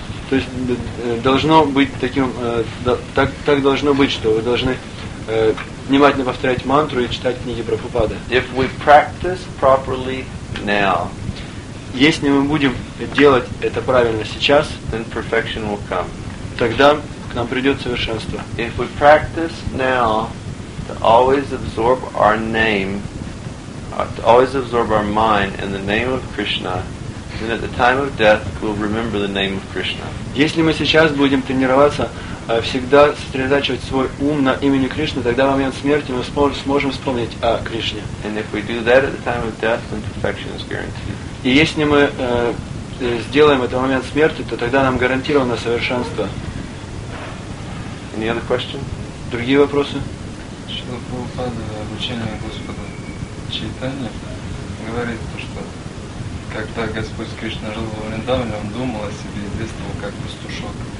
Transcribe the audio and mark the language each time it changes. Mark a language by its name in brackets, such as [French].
[Russian] То есть должно быть таким, так должно быть, что вы должны внимательно повторять мантру и читать книги Прабхупады. [English] If we practice properly now. [Russian] Если мы будем делать это правильно сейчас, [English] then perfection will come. [Russian] Тогда к нам придет совершенство. [English] If we practice now to always absorb our name, to always absorb our mind in the name of Krishna, then at the time of death we'll remember the name of Krishna. [Russian] Если мы сейчас будем тренироваться всегда сосредотачивать свой ум на имени Кришны, тогда в момент смерти мы сможем вспомнить о Кришне. [English] And if we do that at the time of death, then perfection is guaranteed. [Russian] И если мы сделаем это в момент смерти, то тогда нам гарантировано совершенство. [English] Any other question? [Russian] Другие вопросы? Шрила Прабхупада, обучение Господа Чайтанья, говорит то, что когда Господь Кришна жил во Вриндаване, он думал о себе и действовал как пастушок.